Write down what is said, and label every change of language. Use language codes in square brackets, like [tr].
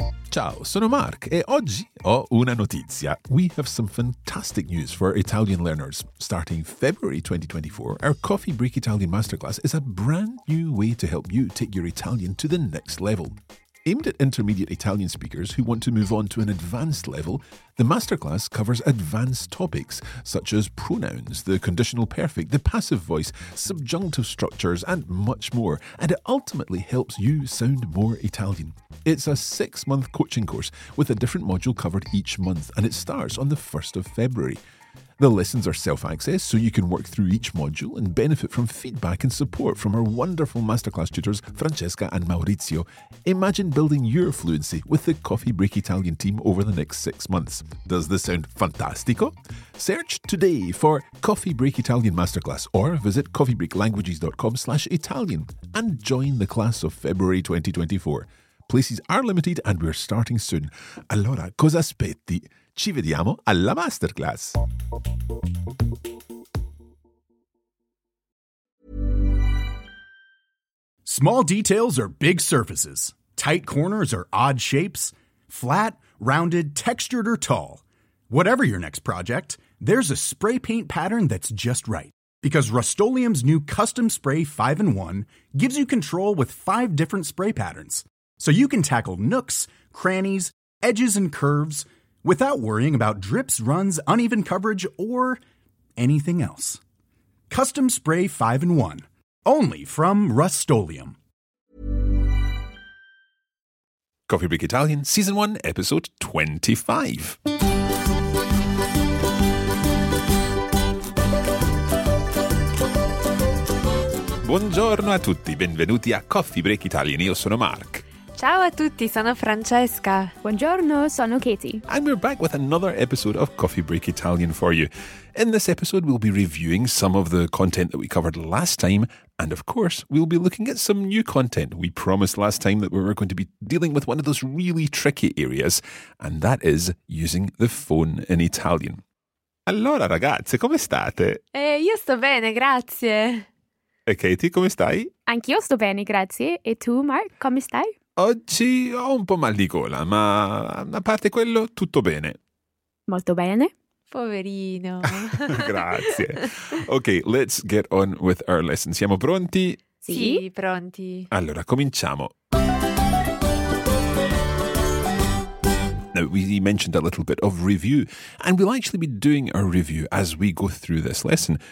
[it] Ciao, sono Mark e oggi ho una notizia. [en] We have some fantastic news for Italian learners. Starting February 2024, our Coffee Break Italian Masterclass is a brand new way to help you take your Italian to the next level. Aimed at intermediate Italian speakers who want to move on to an advanced level, the masterclass covers advanced topics such as pronouns, the conditional perfect, the passive voice, subjunctive structures, and much more, and it ultimately helps you sound more Italian. It's a six-month coaching course with a different module covered each month, and it starts on the 1st of February. The lessons are self-access, so you can work through each module and benefit from feedback and support from our wonderful masterclass tutors, Francesca and Maurizio. Imagine building your fluency with the Coffee Break Italian team over the next 6 months. Does this sound fantastico? Search today for Coffee Break Italian Masterclass or visit coffeebreaklanguages.com/Italian and join the class of February 2024. Places are limited and we're starting soon. [it] Allora, cosa aspetti? Ci vediamo alla masterclass. [en] Small details are big surfaces. Tight corners are odd shapes. Flat, rounded, textured, or tall. Whatever your next project, there's a spray paint pattern that's just right. Because Rust-Oleum's new Custom Spray 5-in-1 gives you control with 5 different spray patterns. So you can tackle nooks, crannies, edges, and curves without worrying about drips, runs, uneven coverage, or anything else. Custom Spray 5-in-1. Only from Rust-Oleum. Coffee Break Italian, Season 1, Episode 25. [it] Buongiorno a tutti, benvenuti a Coffee Break Italian. Io sono Mark. Ciao a tutti, sono Francesca. Buongiorno, sono Katie. [en] And we're back with another episode of Coffee Break Italian for you. In this episode, we'll be reviewing some of the content that we covered last time. And of course, we'll be looking at some new content. We promised last time that we were going to be dealing with one of those really tricky areas, and that is using the phone in Italian. [it] Allora, ragazze, come state? Io sto bene, grazie. E Katie, come stai? Anch'io sto bene, grazie. E tu, Mark, come stai? Oggi ho un po' mal di gola, ma a parte quello, tutto bene. Molto bene. Poverino. Grazie. [en] Ok, let's get on with our lesson. [it] Siamo pronti? Sì, pronti. Allora, cominciamo. [en] Now, we mentioned a little bit of review, and we'll actually be doing our review as we go through this lesson.